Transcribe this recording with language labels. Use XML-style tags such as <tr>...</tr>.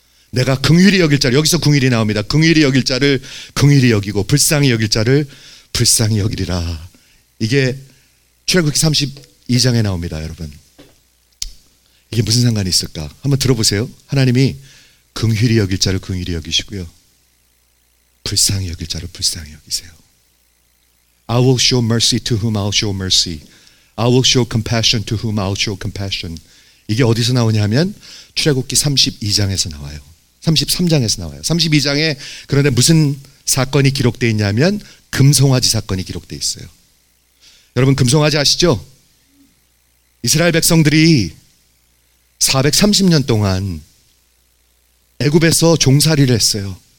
<ko>내가 긍휼히 여길 자를, 여기서 긍휼이 나옵니다. 긍휼히 여길 자를 긍휼히 여기고 불쌍히 여길 자를 불쌍히 여기리라. 이게 출애굽기 32장에 나옵니다. 여러분, 이게 무슨 상관이 있을까? 한번 들어보세요. 하나님이 긍휼히 여길 자를 긍휼히 여기시고요, 불쌍히 여길 자를 불쌍히 여기세요.</ko> <en>I will show mercy to whom I'll show mercy. I will show compassion to whom I'll show compassion.</en> <ko>이게 어디서 나오냐면 출애굽기 32장에서 나와요. 33장에서 나와요. 32장에 그런데 무슨 사건이 기록되어 있냐면 금송아지 사건이 기록되어 있어요. 여러분 금송아지 아시죠? 이스라엘 백성들이 430년 동안 애굽에서 종살이를 했어요.</ko>